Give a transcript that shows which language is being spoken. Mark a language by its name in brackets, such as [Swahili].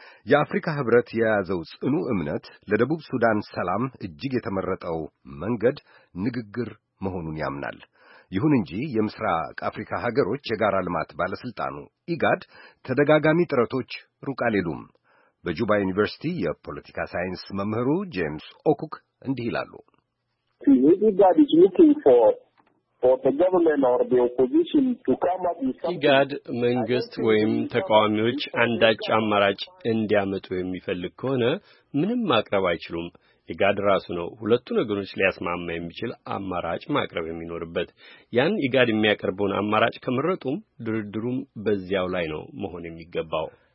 [Amharic] የአፍሪካ ህብረት የያዘው ጽኑ እምነት ለደቡብ ሱዳን ሰላም እጅግ የተመረጠው መንገድ ንግግር መሆኑን ያምናል። ይሁን እንጂ የምስራቅ አፍሪካ ሀገሮች የጋራ ልማት ባለስልጣኑ ኢጋድ ተደጋጋሚ ጥረቶች ሩቅ አልሄዱም። በጁባ ዩኒቨርሲቲ የፖለቲካ ሳይንስ መምህሩ ጄምስ ኦኩክ እንዲህ ይላሉ። [English] ኢጋድ is looking for the government or the opposition to come up with something. [Amharic] ኢጋድ መንግስት ወይም ተቃዋሚዎች አንዳች አማራጭ እንዲያመጡ የሚፈልግ ከሆነ ምንም ማቅረብ አይችሉም። ኢጋድ ራሱ ነው ሁለቱ ነገሮች ሊያስማማ የሚችል አማራጭ ማቅረብ የሚኖርበት። ያን ኢጋድ የሚያቀርበውን አማራጭ ከመረጡም ድርድሩም በዚያው ላይ ነው መሆን የሚገባው።